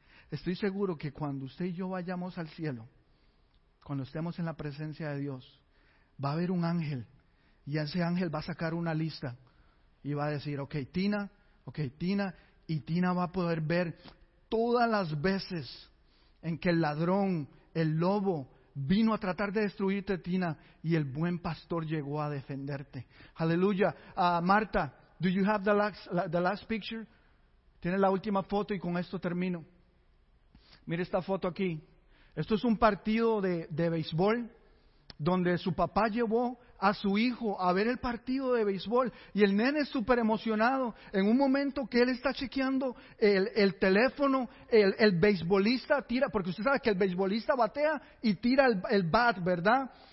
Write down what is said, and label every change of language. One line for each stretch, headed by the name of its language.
Spanish: Estoy seguro que cuando usted y yo vayamos al cielo, cuando estemos en la presencia de Dios, va a haber un ángel y ese ángel va a sacar una lista y va a decir, ok, Tina, y Tina va a poder ver todas las veces en que el ladrón, el lobo, vino a tratar de destruirte, Tina, y el buen pastor llegó a defenderte. Aleluya.
English: Marta, do you have the last picture?
Spanish: Tienes la última foto y con esto termino. Mire esta foto aquí. Esto es un partido de béisbol donde su papá llevó a su hijo a ver el partido de béisbol y el nene es súper emocionado. En un momento que él está chequeando el teléfono, el beisbolista tira, porque usted sabe que el beisbolista batea y tira el bat, ¿verdad?